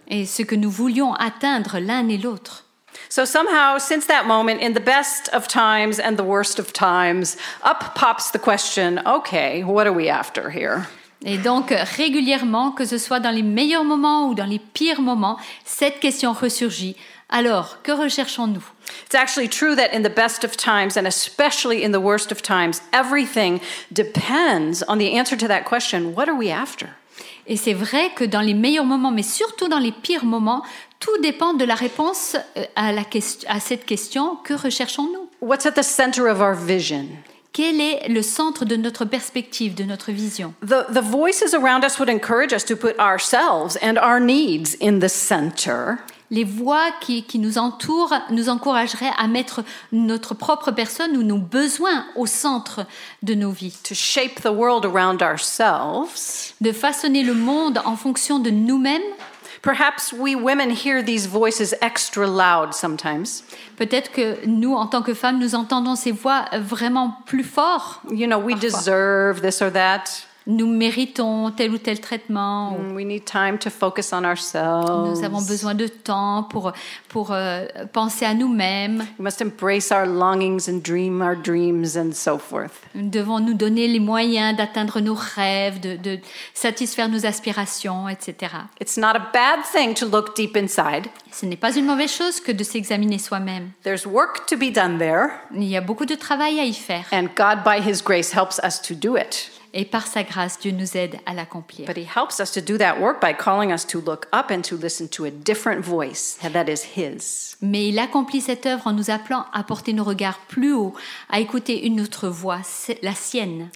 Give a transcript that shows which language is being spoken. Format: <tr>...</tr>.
<fr>Et ce que nous voulions atteindre l'un et l'autre.</fr> <en>So somehow, since that moment, in the best of times and the worst of times, up pops the question, okay, what are we after here?</en> <fr>Et donc, régulièrement, que ce soit dans les meilleurs moments ou dans les pires moments, cette question ressurgit. Alors, que recherchons-nous?</fr> <en>It's actually true that in the best of times, and especially in the worst of times, everything depends on the answer to that question, what are we after?</en> <fr>Et c'est vrai que dans les meilleurs moments, mais surtout dans les pires moments, tout dépend de la réponse à, la question, à cette question, que recherchons-nous?</fr> <en>What's at the center of our vision?</en> <fr>Quel est le centre de notre perspective, de notre vision?</fr> <en>The voices around us would encourage us to put ourselves and our needs in the center.</en> <fr>Les voix qui nous entourent nous encourageraient à mettre notre propre personne ou nos besoins au centre de nos vies.</fr> <en>To shape the world around ourselves.</en> <fr>De façonner le monde en fonction de nous-mêmes.</fr> <en>Perhaps we women hear these voices extra loud sometimes.</en> <fr>Peut-être que nous, en tant que femmes, nous entendons ces voix vraiment plus fort.</fr> <en>You know, we</en> <fr>parfois</fr> <en>deserve this or that.</en> <fr>nous méritons tel ou tel traitement.</fr> <en>We need time to focus on ourselves.</en> <fr>Nous avons besoin de temps pour penser à nous-mêmes.</fr> <en>We must embrace our longings and dream our dreams and so forth.</en> <fr>Nous devons nous donner les moyens d'atteindre nos rêves, de satisfaire nos aspirations, etc.</fr> <en>It's not a bad thing to look deep inside.</en> <fr>Ce n'est pas une mauvaise chose que de s'examiner soi-même.</fr> <en>There's work to be done there.</en> <fr>Il y a beaucoup de travail à y faire.</fr> <en>And God, by His grace, helps us to do it.</en> <fr>Et par sa grâce, Dieu nous aide à l'accomplir.</fr> <en>But He helps us to do that work by calling us to look up and to listen to a different voice, and that is His.</en> <fr>Mais il accomplit cette œuvre en nous appelant à porter nos regards plus haut, à écouter une autre voix, la sienne.</fr>